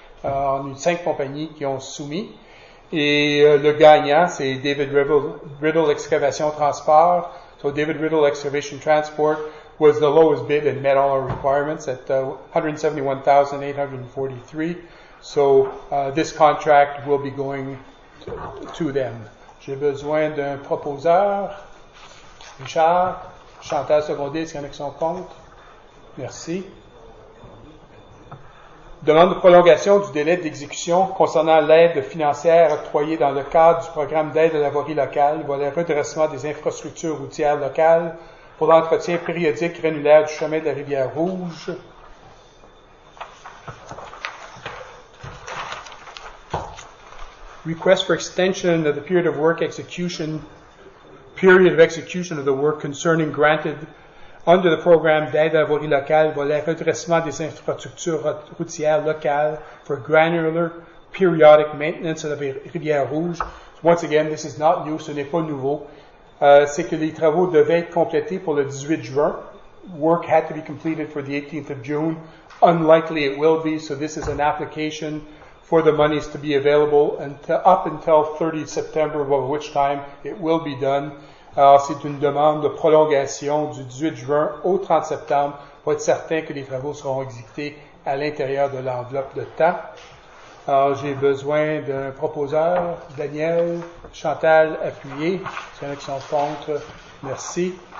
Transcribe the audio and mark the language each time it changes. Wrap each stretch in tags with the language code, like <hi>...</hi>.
<fr>On a eu cinq compagnies qui ont soumis. Et le gagnant, c'est David Riddle Excavation Transport.</fr> <en>So David Riddle Excavation Transport was the lowest bid and met all our requirements at $171,843. So this contract will be going to them.</en> <fr>J'ai besoin d'un proposeur. Richard, Chantal secondé, est-ce qu'il y en a qui sont contre? Merci. Demande de prolongation du délai d'exécution concernant l'aide financière octroyée dans le cadre du programme d'aide à la voirie locale, volet redressement des infrastructures routières locales pour l'entretien périodique granulaire du chemin de la rivière Rouge.</fr> <en>Request for extension of the period of work execution, period of execution of the work concerning granted under the program d'aide à la voirie locale, volet redressement des infrastructures routières locales for granular periodic maintenance of the Rivière Rouge. Once again, this is not new,</en> <fr>ce n'est pas nouveau. C'est que les travaux devaient être complétés pour le 18 juin.</fr> <en>Work had to be completed for the 18th of June. Unlikely it will be, so this is an application for the monies to be available up until 30 September, by which time it will be done.</en> <fr>Alors, c'est une demande de prolongation du 18 juin au 30 septembre pour être certain que les travaux seront exécutés à l'intérieur de l'enveloppe de temps. Alors, j'ai besoin d'un proposeur, Daniel, Chantal, appuyé. S'il y en a qui sont contre, merci.</fr>